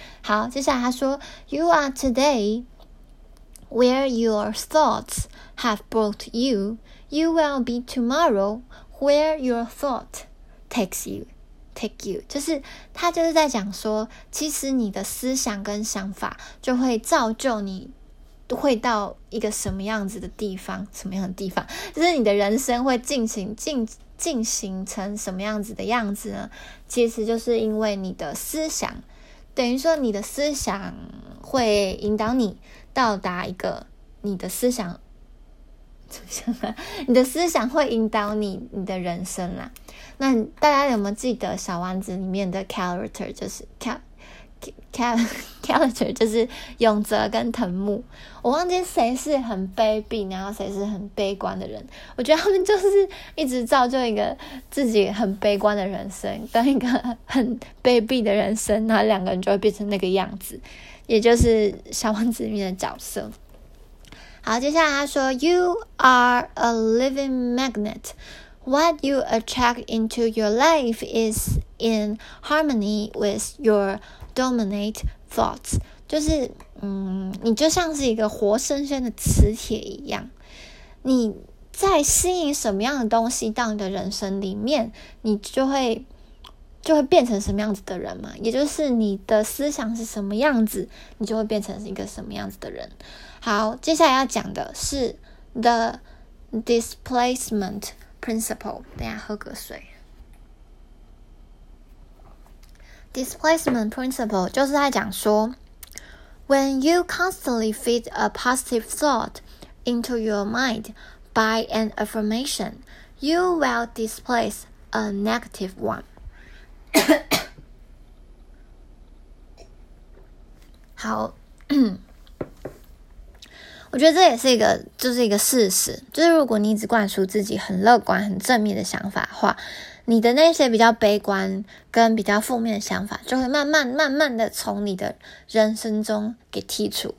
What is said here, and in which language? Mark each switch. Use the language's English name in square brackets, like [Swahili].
[Chinese] 好，接下来他说 [English] You are today where your thoughts have brought you. You will be tomorrow where your thought takes you. take you， [Chinese] 就是他就是在讲说，其实你的思想跟想法就会造就你会到一个什么样子的地方，什么样的地方，就是你的人生会进行成什么样子的样子呢？其实就是因为你的思想，等于说你的思想会引导你到达一个你的思想。你的思想会引导你的人生啦。那大家有没有记得小丸子里面的 character， 就是 character 就是永泽跟藤木，我忘记谁是很卑鄙然后谁是很悲观的人。我觉得他们就是一直造就一个自己很悲观的人生跟一个很卑鄙的人生，然后两个人就会变成那个样子，也就是小丸子里面的角色。好，接下来他说 [English] You are a living magnet. What you attract into your life is in harmony with your dominant thoughts. [Chinese] 就是你就像是一个活生生的磁铁一样，你在吸引什么样的东西到你的人生里面，你就会变成什么样子的人嘛，也就是你的思想是什么样子，你就会变成一个什么样子的人。好，接下来要讲的是 The Displacement Principle。等一下喝个水。 [English] Displacement Principle [Chinese] 就是在讲说 [English] When you constantly feed a positive thought into your mind by an affirmation, you will displace a negative one. [Chinese] 好我觉得这也是一个，就是一个事实，就是如果你一直灌输自己很乐观、很正面的想法的话，你的那些比较悲观跟比较负面的想法就会慢慢、慢慢的从你的人生中给剔除。